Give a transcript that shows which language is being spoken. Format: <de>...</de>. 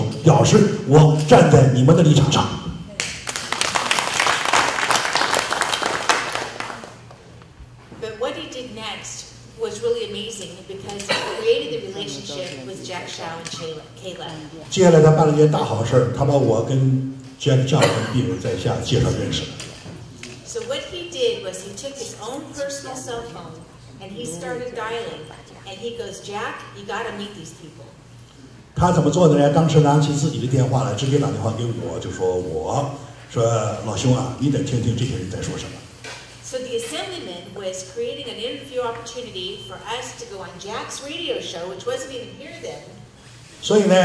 <zh>他当时就说好了好了不要再跟我哭诉了我知道了我完全听明白了我现在告诉你们我举双手表示我站在你们的立场上。</zh> <en>But what he did next was really amazing because he created the relationship with Jack Chow and Kayla.</en> <zh>接下来他办了一件大好事他把我跟 Jack Chow 跟病人在下介绍认识了。</zh> <en>So what he did was he took his own personal cell phone and he started dialing, and he goes, "Jack, you got to meet these people."</en> <zh>他怎么做的呢？当时拿起自己的电话来，直接打电话给我，就说：“老兄啊，你得听听这些人在说什么。”</zh> <en>So the assemblyman was creating an interview opportunity for us to go on Jack's radio show, which wasn't even here then.</en>